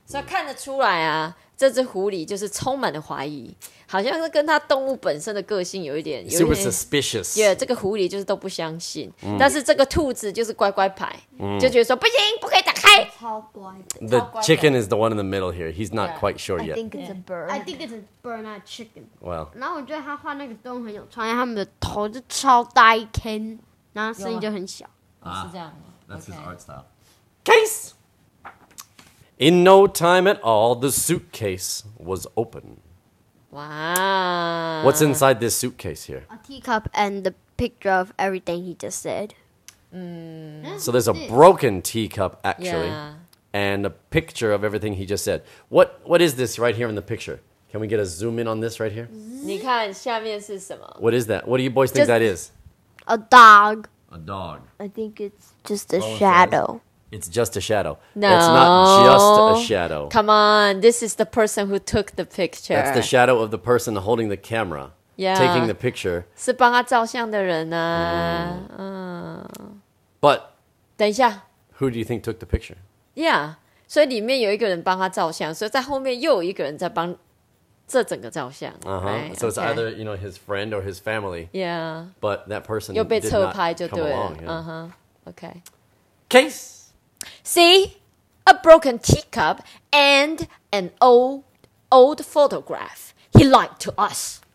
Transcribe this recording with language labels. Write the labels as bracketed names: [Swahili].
[Chinese] 所以看得出来啊，这只狐狸就是充满了怀疑，好像是跟它动物本身的个性有一点 [English] super suspicious. [Chinese] Yeah, 这个狐狸就是都不相信，但是这个兔子就是乖乖牌，就觉得说不行，不可以打开。超乖的。 [English] The chicken is the one in the middle here. He's not quite sure yet. I think it's a bird. I think it's a bird, not a chicken. Well. [Chinese] 然后我觉得他画那个动物很有创意，他们的头就超大一坑，然后声音就很小。 [English] That's his art style. Case! In no time at all, the suitcase was open. Wow. What's inside this suitcase here? A teacup and the picture of everything he just said. So there's a broken teacup, actually. Yeah. And a picture of everything he just said. What is this right here in the picture? Can we get a zoom in on this right here? [Chinese] 你看下面是什么? [English] What is that? What do you boys think that is? A dog. A dog. I think it's just a shadow. It's just a shadow. No. It's not just a shadow. Come on. This is the person who took the picture. That's the shadow of the person holding the camera. Yeah. Taking the picture. [Chinese] 是帮他照相的人啊。 [English] But. [Chinese] 等一下。 [English] Who do you think took the picture? Yeah. [Chinese] 所以里面有一个人帮他照相，所以在后面又有一个人在帮这整个照相。 [English] Right? So it's either, you know, his friend or his family. Yeah. But that person did not come along. You know? Okay. Case. See? A broken teacup and an old photograph. He lied to us.